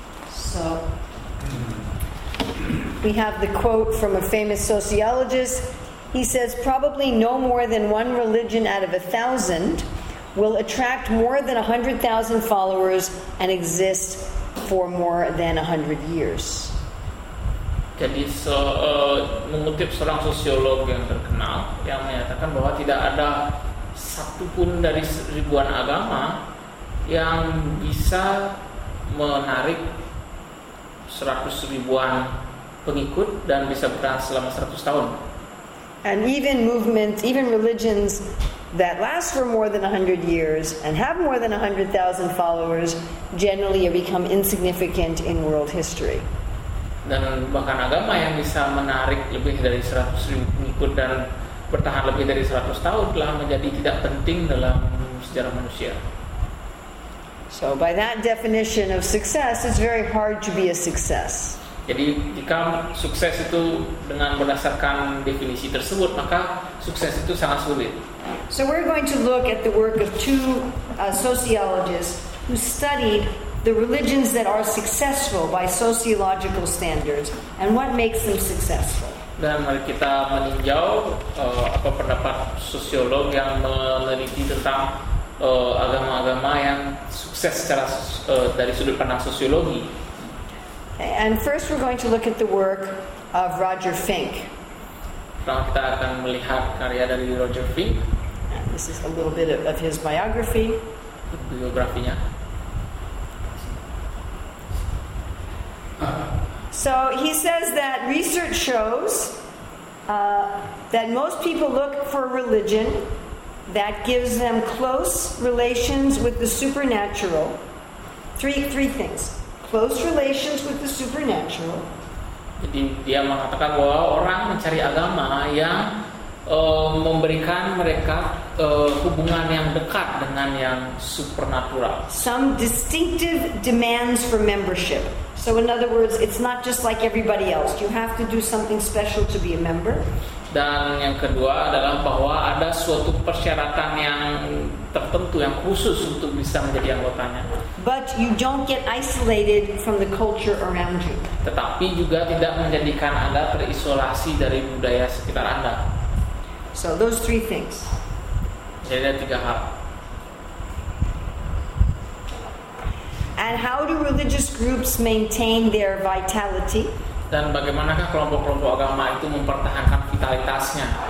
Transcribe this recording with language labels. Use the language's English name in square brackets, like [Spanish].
[English] So we have the quote from a famous sociologist. He says, probably no more than one religion out of 1,000 will attract more than 100,000 followers and exist for more than 100 years. [Indonesian] Jadi, mengutip seorang sosiolog yang terkenal yang menyatakan bahwa tidak ada satupun dari ribuan agama yang bisa menarik 100 ribuan pengikut dan bisa bertahan selama 100 tahun. [English] And even movements, even religions that last for more than 100 years and have more than 100,000 followers generally become insignificant in world history. [Indonesian] Dan bahkan agama yang bisa menarik lebih dari 100 ribu pengikut dan bertahan lebih dari 100 tahun telah menjadi tidak penting dalam sejarah manusia. [English] So by that definition of success, it's very hard to be a success. [Indonesian] Jadi jika sukses itu dengan berdasarkan definisi tersebut, maka sukses itu sangat sulit. [English] So we're going to look at the work of two sociologists who studied the religions that are successful by sociological standards and what makes them successful. [Indonesian] Dan mari kita meninjau apa pendapat sosiolog yang meneliti tentang agama-agama yang sukses secara dari sudut pandang sosiologi. [English] And first we're going to look at the work of Roger Fink. [Indonesian] Sekarang kita akan melihat karya dari Roger Fink. [English] And this is a little bit of his biography. [Indonesian] Biografinya. [English] So he says that research shows that most people look for a religion that gives them close relations with the supernatural. Three things. Close relations with the supernatural, [Indonesian] Jadi dia mengatakan bahwa orang mencari agama yang memberikan mereka hubungan yang dekat dengan yang supernatural. [English] Some distinctive demands for membership. So in other words, it's not just like everybody else. You have to do something special to be a member. [Indonesian] Dan yang kedua adalah bahwa ada suatu persyaratan yang tertentu yang khusus untuk bisa menjadi anggotanya. [English] But you don't get isolated from the culture around you. [Indonesian] Tetapi juga tidak menjadikan Anda terisolasi dari budaya sekitar Anda. [English] So those three things. [Indonesian] Jadi ada tiga hal. [English] And how do religious groups maintain their vitality? [Indonesian] Dan bagaimanakah kelompok-kelompok agama itu mempertahankan vitalitasnya?